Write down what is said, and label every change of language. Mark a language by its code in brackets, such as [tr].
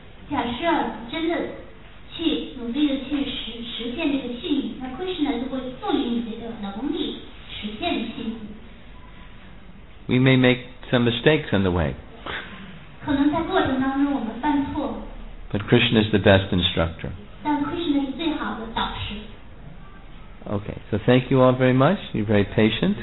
[zh] 假设真的去努力的去实现这个信心，那 Krishna 就会赋予你这个能力实现信心。 [en] We may make some mistakes on the way. [zh] 可能在过程当中我们犯错。 [en] But Krishna is the best instructor. [zh] 但 Krishna 是最好的导师。 [en] Okay, so thank you all very much. You're very patient.